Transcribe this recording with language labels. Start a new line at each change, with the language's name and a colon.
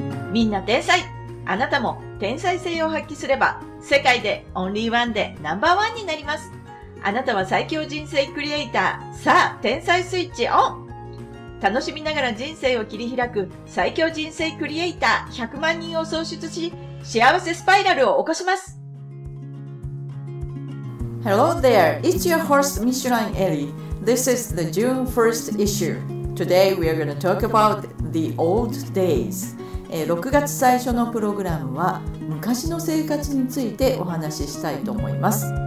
Japanese: みんな天才、あなたも天才性を発揮すれば世界でオンリーワンでナンバーワンになります。あなたは最強人生クリエイター。さあ天才スイッチオン。楽しみながら人生を切り開く最強人生クリエイター100万人を創出し、幸せスパイラルを起こします。
English: Hello there, it's your host Michelin Ellie. This is the June 1st issue. Today we are going to talk about the old days.
Japanese: 6月最初のプログラムは昔の生活についてお話ししたいと思います。